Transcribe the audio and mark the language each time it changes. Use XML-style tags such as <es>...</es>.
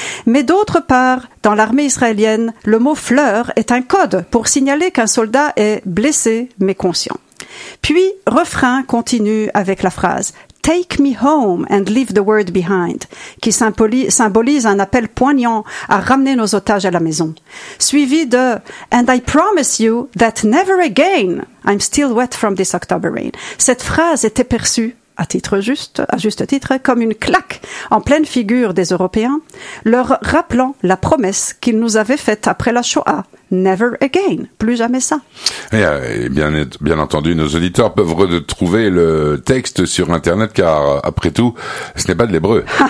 <fr>Mais d'autre part, dans l'armée israélienne, le mot « fleur » est un code pour signaler qu'un soldat est blessé mais conscient. Puis, refrain continue avec la phrase «</fr> <en>Take me home and leave the world behind</en> <fr>» qui symbolise un appel poignant à ramener nos otages à la maison. Suivi de</fr> <en>« And I promise you that never again » I'm still wet from this October rain.</en> <fr>Cette phrase était perçue, à juste titre, comme une claque en pleine figure des Européens, leur rappelant la promesse qu'ils nous avaient faite après la Shoah.</fr> <en>Never again.</en> <fr>Plus jamais ça. Et bien entendu, nos auditeurs peuvent retrouver le texte sur Internet, car après tout, ce n'est pas de l'hébreu.</fr>